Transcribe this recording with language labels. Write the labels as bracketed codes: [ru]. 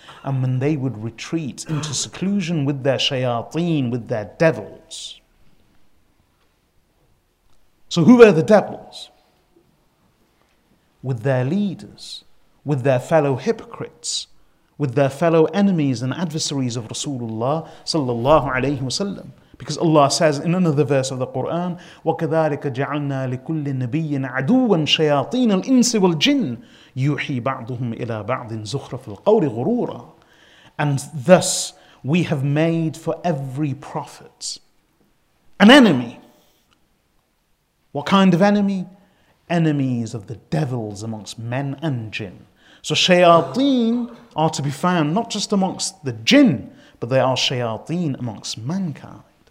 [en] And when they would retreat into seclusion with their shayateen, with their devils. So who were the devils? With their leaders, with their fellow hypocrites, with their fellow enemies and adversaries of Rasulullah sallallahu alayhi wasallam. Because Allah says in another verse of the Quran, [ar] وَكَذَٰلِكَ جَعَلْنَا لِكُلِّ نَبِيٍ عَدُوًا شَيَاطِينَ الْإِنسِ وَالْجِنِّ يُوحِي بَعْضُهُمْ إِلَىٰ بَعْضٍ زُخْرَفِ الْقَوْلِ غُرُورًا. [en] And thus we have made for every prophet an enemy. What kind of enemy? Enemies of the devils amongst men and jinn. So shayateen are to be found not just amongst the jinn, but they are shayateen amongst mankind.